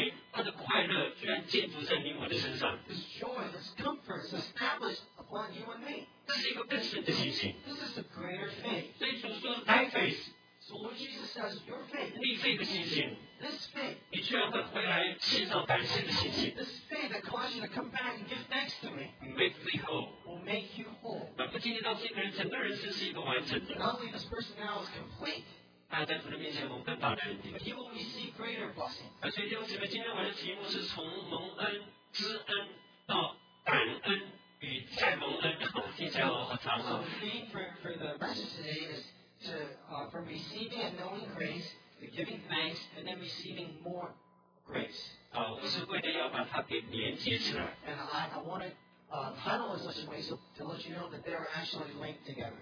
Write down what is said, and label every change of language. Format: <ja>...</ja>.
<zh>他的喜乐,他的安慰,他的快乐居然建筑在你我的身上,</zh> <en>His joy, His comfort is established upon you and me. This is a greater faith.</en> <zh>所以主说,</zh> <en>thy faith. So Lord Jesus says, your faith.</en> <zh>你这个信心,</zh> <en>this faith.</en> <zh>你却要回来献上感谢的信心,</zh> <en>this faith that causes you to come back and give thanks to me. Make me whole. Will make you whole.</en> <zh>那不仅仅到今天人,整个人生是一个完整的,</zh> <en>not only this person now is complete.</en> <zh>他在主的面前蒙更大的恩典,</zh> <en>but he will receive greater blessing.</en> <zh>所以弟兄姊妹,今天我的题目是从蒙恩,知恩到感恩,</zh> <en>so the theme for the message today is to from receiving and knowing grace, to giving thanks, and then receiving more grace. And I want to title it in such a way so to let you know that they are actually linked together.</en>